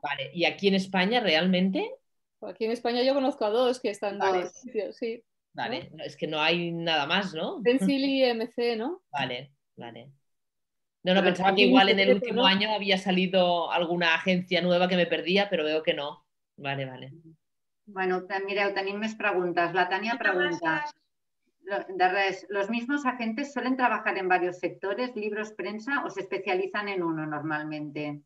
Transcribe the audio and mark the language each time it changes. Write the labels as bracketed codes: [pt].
[es] Vale, ¿y aquí en España realmente? Pues aquí en España yo conozco a dos que están vale. Dos. Sí. Vale, ¿no? Es que no hay nada más, ¿no? Pencil y MC, ¿no? Vale. No, pero pensaba que igual en el último año había salido alguna agencia nueva que me perdía, pero veo que no. Vale. [ca] Bueno, mireu, tenim més preguntes. La Tania pregunta. De res. [es] ¿Los mismos agentes suelen trabajar en varios sectores, libros, prensa, o se especializan en uno normalmente?